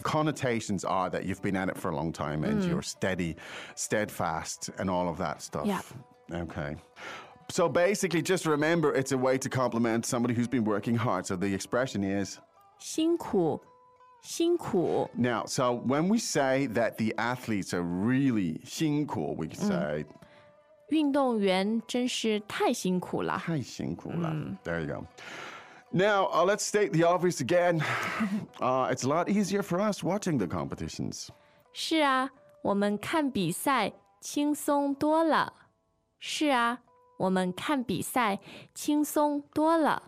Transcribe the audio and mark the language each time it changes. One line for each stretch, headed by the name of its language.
English: connotations are that you've been at it for a long time and、mm. you're steady, steadfast, and all of that stuff. Yeah. Okay. So basically, just remember, it's a way to compliment somebody who's been working hard. So the expression is
Chinese: 辛苦辛苦.
English: Now, so when we say that the athletes are really 辛苦, we can say
Chinese: 运动员真是太辛苦了。太辛苦了.
English: There you go. Now, let's state the obvious again. It's a lot easier for us watching the competitions.
Chinese: 是啊,我们看比赛轻松多了。是啊,我们看比赛轻松多了。